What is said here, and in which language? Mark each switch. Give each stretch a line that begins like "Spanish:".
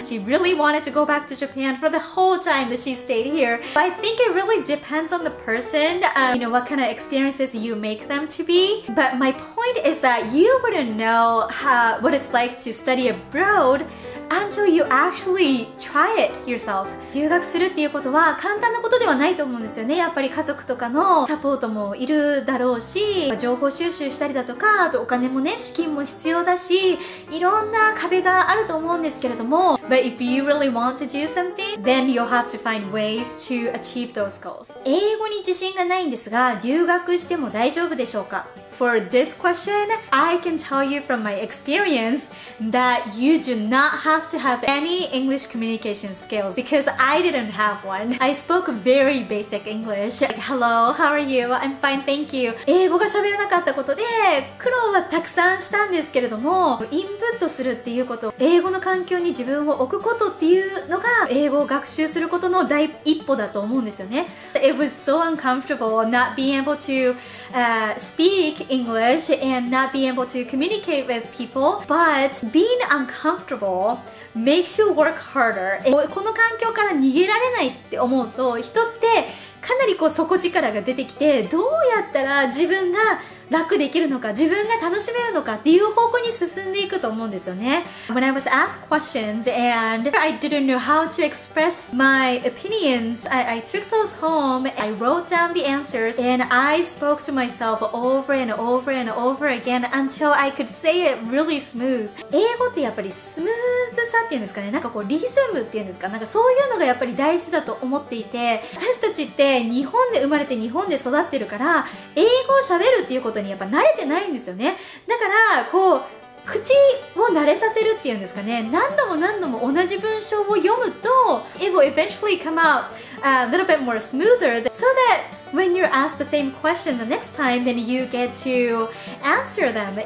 English: She really wanted to go back to Japan for the whole time that she stayed here. But I think it really depends on the person, you know, what kind of experiences you make them to be. But my point is that you wouldn't know what it's like to study abroad until you actually try it yourself.
Japanese: 留学するっていうことはは簡単なことではないと思うんですよね。やっぱり家族とかのサポートもいるだろうし、情報収集したりだとか、あとお金もね、資金も必要だし、いろんな壁があると思うんですけれども、
English: But if you really want to do something, then you'll have to find ways to achieve those goals.
Japanese: 英語に自信がないんですが、留学しても大丈夫でしょうか？
English: For this question, I can tell you from my experience that you do not have to have any English communication skills because I didn't have one. I spoke very basic English. Like, hello, how are you? I'm fine, thank you.
Japanese: 英語が喋らなかったことで苦労はたくさんしたんですけれども、インプットするっていうこと、英語の環境に自分を置くことっていうのが英語を学習することの第一歩だと思うんですよね。
English: It was so uncomfortable not being able to speakEnglish and not being able to communicate with people, but being uncomfortable makes you work harder.
Japanese: この環境から逃げられないって思うと、人ってかなりこう底力が出てきて、どうやったら自分が楽できるのか、自分が楽しめるのかっていう方向に進んでいくと思うんですよね。
English: When I was asked questions and I didn't know how to express my opinions, I took those home, I wrote down the answers and I spoke to myself over and over and over again until I could say it really smooth.
Japanese: 英語ってやっぱりスムーズさっていうんですかね、なんかこうリズムっていうんですか、なんかそういうのがやっぱり大事だと思っていて、私たちって日本で生まれて日本で育ってるから英語を喋るっていうことにやっぱ慣れてないんですよね。だからこう口を慣れさせるっていうんですかね、何度も何度も同じ文章を読むと
English: It will eventually come out a little bit more smoother so thatWhen you're asked the same question the next time, then you get to answer them.